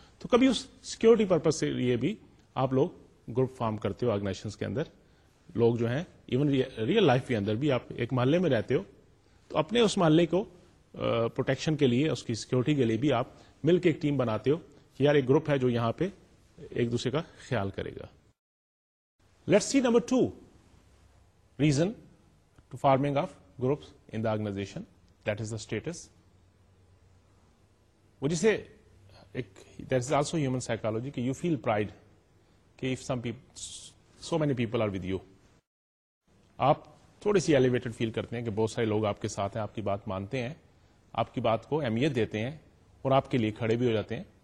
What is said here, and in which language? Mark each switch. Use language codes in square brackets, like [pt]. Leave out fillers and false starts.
[ur] تو کبھی اس security purpose سے لیے بھی آپ لوگ گروپ فارم کرتے ہو آرگنائزیشنز کے اندر. لوگ جو ہیں ایون ریئل لائف کے اندر بھی, آپ ایک محلے میں رہتے ہو تو اپنے اس محلے کو پروٹیکشن کے لیے, اس کی سیکیورٹی کے لیے بھی آپ مل کے ایک ٹیم بناتے ہو کہ یار ایک گروپ ہے جو یہاں پہ ایک دوسرے کا خیال کرے گا. [en] Let's see number two reason to forming of groups in the organisation, that is the status. [ur] وہ جسے [en] that is also human psychology, [ur] کہ [en] you feel pride کہ if some people, so many people are with you, [ur] آپ تھوڑی سی elevated فیل کرتے ہیں کہ بہت سارے لوگ آپ کے ساتھ ہیں, آپ کی بات مانتے ہیں, آپ کی بات کو اہمیت دیتے ہیں اور آپ کے لیے کھڑے بھی ہو جاتے ہیں.